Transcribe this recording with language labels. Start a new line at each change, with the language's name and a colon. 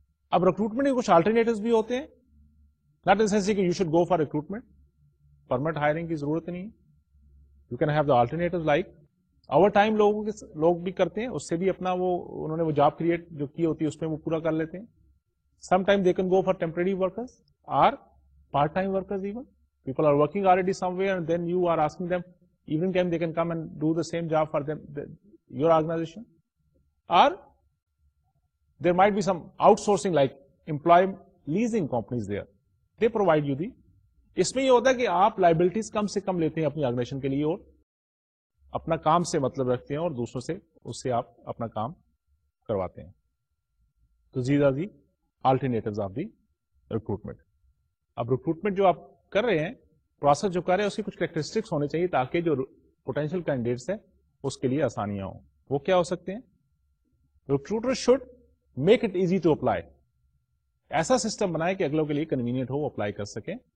Urdu: اب ریکروٹمنٹ کے کچھ آلٹرنیٹوز بھی ہوتے ہیں,
English: not in sense
Urdu: کہ
English: you should go for recruitment,
Urdu: permanent hiring کی ضرورت نہیں,
English: you can have the alternatives like overtime
Urdu: لوگ بھی کرتے ہیں, اس سے بھی اپنا وہ انہوں نے وہ جاب کریٹ جو کی ہوتی ہے اس میں وہ پورا کر لیتے ہیں.
English: Some time they can go for temporary workers or part time workers, even people are working already somewhere and then you are asking them even can they can come and do the same job for them your organisation, or there might be some outsourcing like employee leasing companies there they provide you the.
Urdu: اس میں یہ ہوتا ہے کہ آپ liabilities کم سے کم لیتے ہیں اپنی آرگنائزیشن کے لیے اور اپنا کام سے مطلب رکھتے ہیں اور دوسروں سے اس سے آپ اپنا کام کرواتے ہیں.
English: تو زیزا دی alternatives of the recruitment.
Urdu: اب ریکروٹمنٹ جو آپ کر رہے ہیں, پروسیس جو کر رہے ہیں, اس کی کچھ کریکٹرسٹکس ہونے چاہیے تاکہ جو پوٹینشیل کینڈیڈیٹس ہیں اس کے لیے آسانیاں ہوں. وہ کیا ہو سکتے ہیں؟
English: recruiter should make it easy to apply,
Urdu: ایسا سسٹم بنائے کہ اگلوں کے لیے کنوینئنٹ ہو وہ اپلائی کر سکیں.